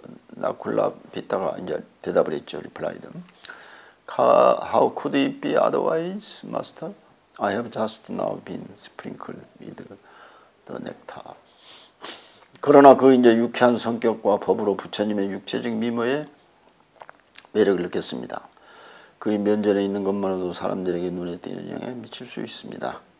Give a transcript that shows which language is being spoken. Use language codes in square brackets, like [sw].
[ko] 나쿨라비타가 이제 대답을 했죠. [en] replied. How could it be otherwise, master? I have just now been sprinkled with the nectar. [ko] 그러나 그 이제 유쾌한 성격과 법으로 부처님의 육체적 미모에 매력을 느꼈습니다. 그의 면전에 있는 것만으로도 사람들에게 눈에 띄는 영향을 미칠 수 있습니다.